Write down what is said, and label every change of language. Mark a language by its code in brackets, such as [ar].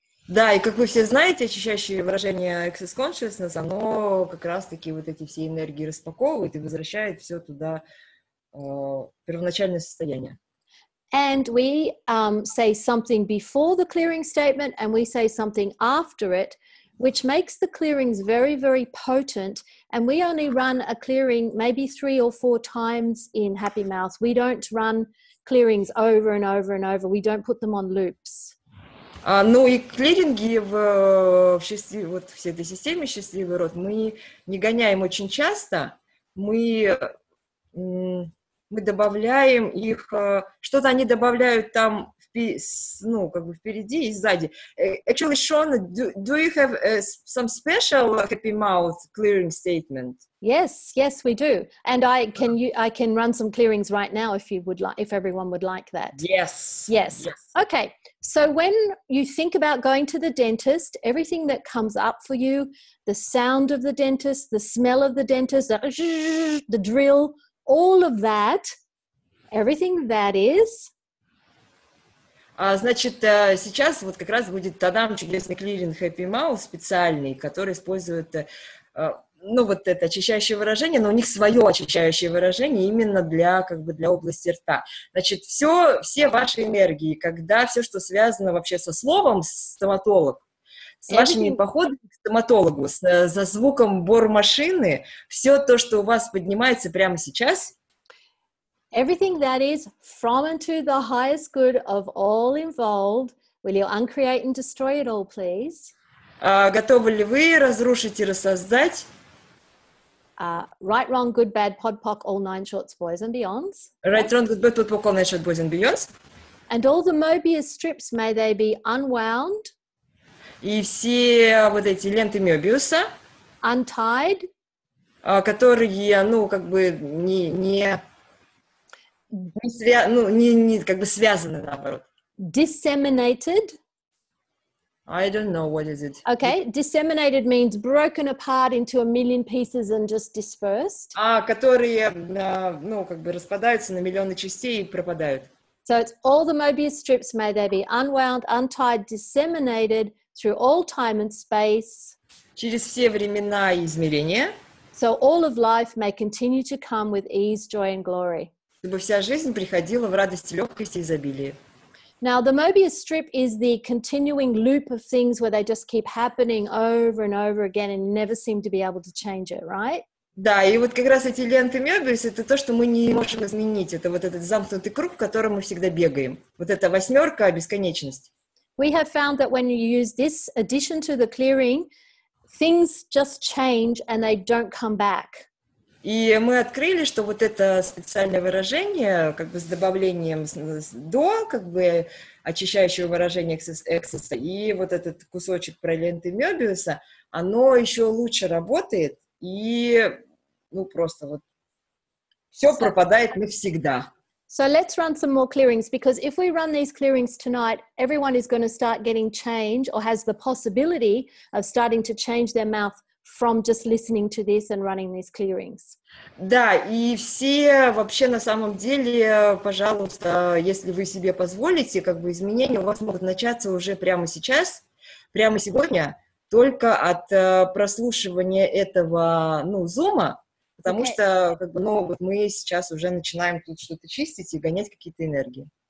[ru] Да, и как вы все знаете, очищающее выражение Access Consciousness, оно как раз-таки вот эти все энергии распаковывает и возвращает все туда, первоначальное состояние. [en] And we say something before the clearing statement, and we say something after it, which makes the clearings very, very potent. And we only run a clearing maybe 3 or 4 times in Happy Mouth. We don't run clearings over and over and over. We don't put them on loops. [ru] Ну и клиринги в шести, вот в этой системе «Счастливый род» мы не гоняем очень часто. Мы добавляем их, что-то они добавляют там, ну, как бы впереди и сзади. [en] Actually, Sean, do you have some special Happy Mouth clearing statement? Yes, we do. And I can run some clearings right now if you would like, if everyone would like that. Yes. Okay, so when you think about going to the dentist, everything that comes up for you, the sound of the dentist, the smell of the dentist, the drill, all of that, everything that is. [ru] Значит, сейчас вот как раз будет тадам чудесный клиринг Happy Mouth специальный, который использует, ну, вот это очищающее выражение, но у них свое очищающее выражение именно для, как бы, для области рта. Значит, все ваши энергии, когда все, что связано вообще со словом стоматолог, с вашими походами к стоматологу, за звуком бормашины, все то, что у вас поднимается прямо сейчас. [en] Everything that is from and to the highest good of all involved, will you uncreate and destroy it all, please? [ru] Готовы ли вы разрушить и рассоздать? [en] Right, wrong, good, bad, pod, poc, all 9 shorts, boys and beyonds. Right, wrong, good, bad, pod, poc, all 9 shorts, boys and beyonds. And all the Möbius strips, may they be unwound. [ru] И все вот эти ленты Мёбиуса. [en] Untied. [ru] Которые, ну, как бы, не связаны, наоборот. [en] Disseminated. I don't know, what is it? Okay, disseminated means broken apart into a million pieces and just dispersed. [ru] Которые, ну, как бы, распадаются на миллионы частей и пропадают. [en] So it's all the Möbius strips, may they be unwound, untied, disseminated, through all time and space. [ru] Через все времена и измерения. [en] So all of life may continue to come with ease, joy and glory. [ru] Чтобы вся жизнь приходила в радости, легкости и изобилии. [en] Now the Möbius strip is the continuing loop of things where they just keep happening over and over again and never seem to be able to change it, right? [ru] Да, и вот как раз эти ленты Мёбиус — это то, что мы не можем изменить. Это вот этот замкнутый круг, в котором мы всегда бегаем. Вот эта восьмерка, бесконечность. [en] We have found that when you use this addition to the clearing, things just change and they don't come back. [ru] И мы открыли, что вот это специальное выражение, как бы с добавлением до, как бы очищающего выражения эксоса, и вот этот кусочек про ленты Мёбиуса, оно еще лучше работает, и, ну, просто вот все пропадает навсегда. [en] So let's run some more clearings, because if we run these clearings tonight, everyone is going to start getting change or has the possibility of starting to change their mouth from just listening to this and running these clearings. [ru] Да, и все вообще на самом деле, пожалуйста, если вы себе позволите, как бы изменения у вас могут начаться уже прямо сейчас, прямо сегодня, только от прослушивания этого, ну, зума. Потому okay. что, как бы, ну, вот мы сейчас уже начинаем тут что-то чистить и гонять какие-то энергии.